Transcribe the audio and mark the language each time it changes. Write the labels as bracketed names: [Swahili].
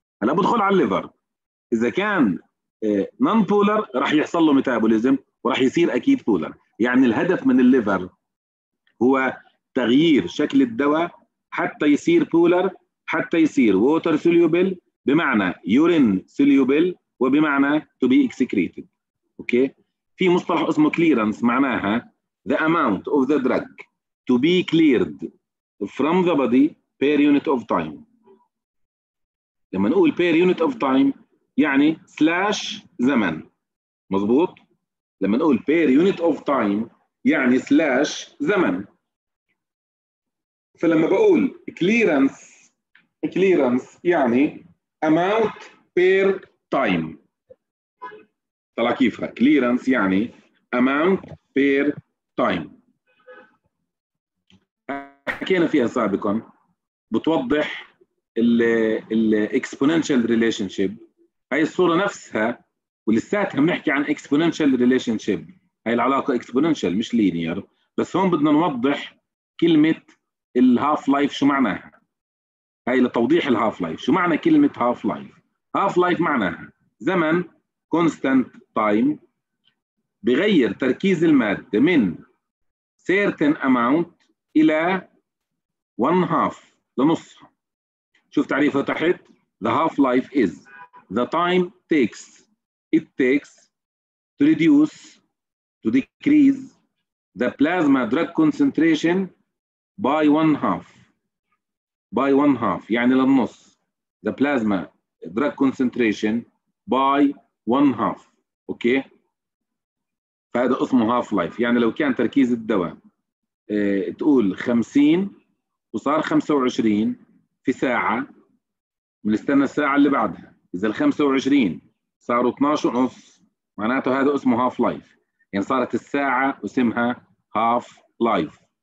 [Arabic] هلا بدخل على الليفر، اذا كان نون بولر راح يحصل له ميتابوليزم وراح يصير اكيد بولر. يعني الهدف من الليفر هو تغيير شكل الدواء حتى يصير بولر، حتى يصير ووتر سوليوبل بمعنى يورين سوليوبل وبمعنى [English] to be excreted. [Arabic] اوكي، في مصطلح اسمه كليرنس، معناها [English] the amount of the drug to be cleared from the body per unit of time. [Arabic] لما نقول [English] per unit of time [Arabic] يعني سلاش زمن، مظبوط؟ لما نقول per unit of time يعني سلاش زمن. فلما بقول clearance، clearance يعني [English] amount per time. [Arabic] طلع كيفها؟ clearance يعني [English] amount per time. [Arabic] حكينا فيها سابقا، بتوضح ال exponential relationship. هاي الصورة نفسها ولساتها بنحكي عن exponential relationship، هاي العلاقة exponential مش linear، بس هون بدنا نوضح كلمة الهاف لايف شو معناها. هاي لتوضيح الهاف لايف، شو معنى كلمة هاف لايف؟ هاف لايف معناها زمن [English] constant time [Arabic] بغير تركيز المادة من [English] certain amount [Arabic] إلى [English] one half [Arabic] لنصها. شوف تعريفها تحت، [English] the half life is the time takes it takes to reduce to decrease the plasma drug concentration by one half. By one half [Arabic] يعني للنص، [English] the plasma drug concentration by one half. [Arabic] اوكي، فهذا اسمه half life. يعني لو كان تركيز الدواء تقول 50 وصار 25 في ساعه، بنستنى الساعه اللي بعدها، اذا ال 25 صاروا 12 ونص معناته هذا اسمه half life، يعني صارت الساعه اسمها half life.